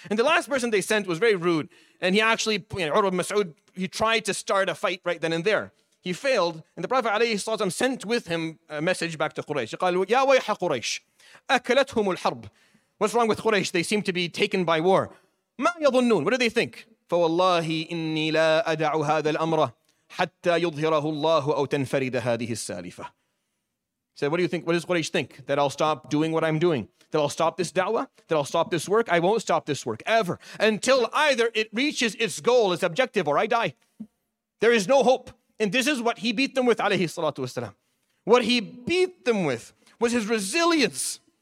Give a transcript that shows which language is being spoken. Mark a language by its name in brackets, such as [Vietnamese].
[English] And the last person they sent was very rude, and he actually, Urwa ibn Mas'ud, he tried to start a fight right then and there. He failed, and the Prophet alayhi salatu wasalam sent with him a message back to Quraysh. [Arabic] He said, "Ya wayha Quraysh, akalathum al-harb." [English] What's wrong with Quraysh? They seem to be taken by war. [Arabic] "Ma yadhunnun," [English] what do they think? [Arabic] "Fawallahi inni la ada'u hadha al-amra حتى يظهره الله أو تنفرد هذه السالفة." [English] Said, "What do you think? What does Quraysh think? That I'll stop doing what I'm doing? That I'll stop this da'wah? That I'll stop this work? I won't stop this work ever until either it reaches its goal, its objective, or I die. There is no hope." And this is what he beat them with, alayhi salatu wasalam. What he beat them with was his resilience.